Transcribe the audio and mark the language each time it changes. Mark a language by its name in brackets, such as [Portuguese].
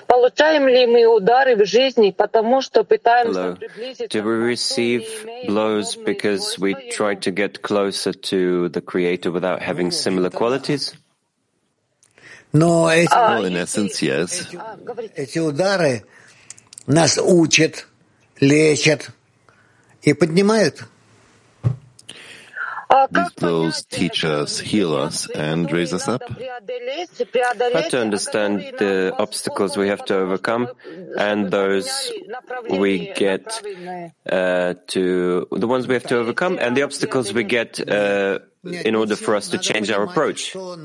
[Russian] Получаем ли мы удары в жизни, потому что пытаемся приблизиться? [English] Do we receive blows because we try to get closer to the Creator without having similar qualities? No, in essence, yes. [Russian] Эти удары нас учат, лечат и поднимают. [English] These blows teach us, heal us, and raise us up. How to understand the obstacles we have to overcome and those we get the ones we have to overcome and the obstacles we get in order for us to change our approach?